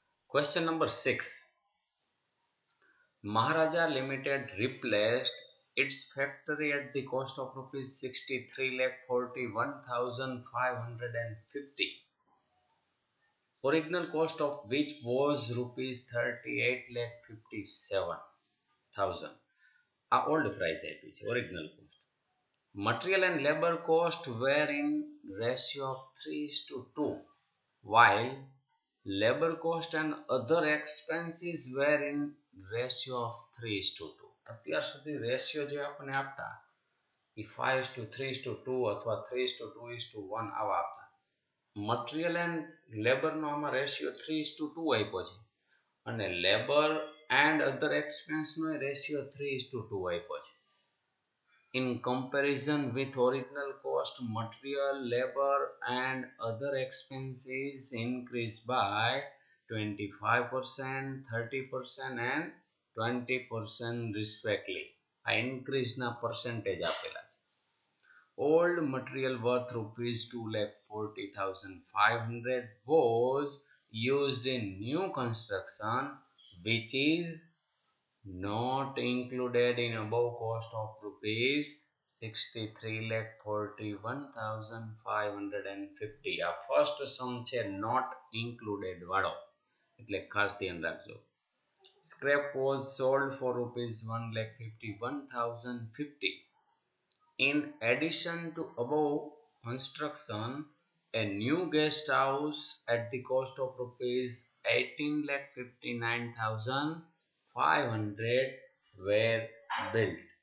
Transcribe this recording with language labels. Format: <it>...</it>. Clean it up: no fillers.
<en>Question number 6, Maharaja limited replaced its factory at the cost of rupees 63,41,550, original cost of which was rupees 38,57,000।</en> <gu>Uh old price आपी छे,</gu> <en>Original cost. Material and labour cost were in ratio of 3:2, while labour cost and other expenses were in ratio of 3:2।</en> <gu>અત્યાર સુધી ratio જે આપણે આપતા એ 5:3:2 અથવા 3:2:1 આવા આપતા। મટીરીયલ એન્ડ લેબરનો આમાં રેશિયો 3:2 આપ્યો છે અને લેબર એન્ડ અધર એક્સપેન્સનો રેશિયો 3:2 આપ્યો છે।</gu> <en>In comparison with original cost material labour and other expenses increase by 25%, 30% and 20% respectively।</en> <gu>આ ઇન્ક્રીઝ ના પર્સન્ટેજ આપેલા છે।</gu> <en>Old material worth rupees 2,40,500 was used in new construction which is not included in above cost of rupees 63,41,550।</en> <gu>આ first સમ છે not included વાળો, એટલે ખાસ ધ્યાન રાખજો।</gu> <en>Scrap was sold for rupees 1,51,050. In addition to above construction, a new guest house at the cost of rupees 18,59,500 were built.</en>